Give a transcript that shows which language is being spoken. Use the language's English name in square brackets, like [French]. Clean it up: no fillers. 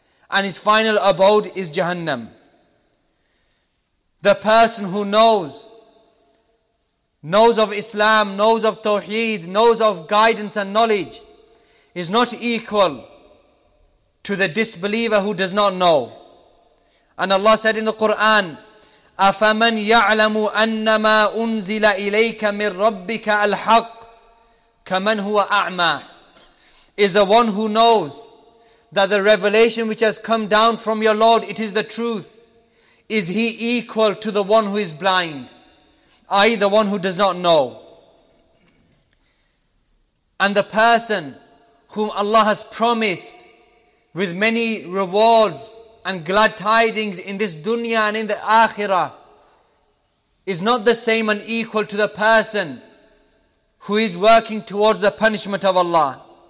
[English] And his final abode is Jahannam. The person who knows of Islam, knows of Tawheed, knows of guidance and knowledge, is not equal to the disbeliever who does not know. And Allah said in the Quran, [Arabic] أَفَمَنْ يَعْلَمُ أَنَّمَا أُنزِلَ إِلَيْكَ مِنْ رَبِّكَ الْحَقِّ كَمَنْ هُوَ أَعْمَى. [English] Is the one who knows that the revelation which has come down from your Lord, it is the truth, is he equal to the one who is blind, i.e. the one who does not know? And the person whom Allah has promised with many rewards and glad tidings in this dunya and in the akhirah is not the same and equal to the person who is working towards the punishment of Allah.